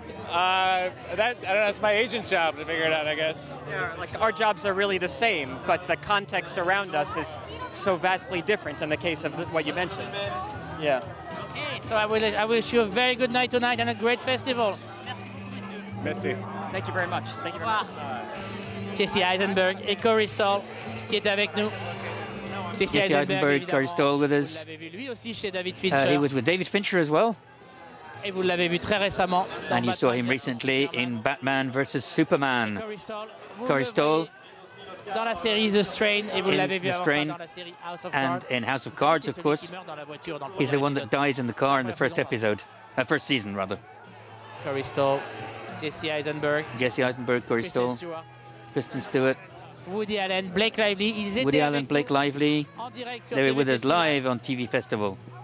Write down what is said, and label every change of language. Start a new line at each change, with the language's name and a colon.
English: That, I don't know, it's my agent's job to figure it out, I guess. Yeah, like our jobs are really the same, but the context around us is so vastly different in the case of what you mentioned. Yeah. Okay, so I wish you a very good night tonight and a great festival.
French: Merci.
English: Thank you very much. Thank you very much.
French: Jesse Eisenberg et Corey Stoll qui est avec nous.
English: Jesse Eisenberg, Corey Stoll with us. He was with David Fincher as well.
French: Et vous l'avez vu très récemment.
English: And you saw him recently in Batman versus Superman. Corey Stoll.
French: Dans la série The Strain. Et vous l'avez vu avant ça dans la série House of Cards.
English: And in House of Cards, of course. He's the one that dies in the car in the first episode. First season, rather. Corey Stoll. Jesse Eisenberg. Jesse Eisenberg, Corey Stoll. Kristen Stewart. Woody Allen, Blake Lively. Woody Allen, Blake Lively. They were with us live on TV Festival.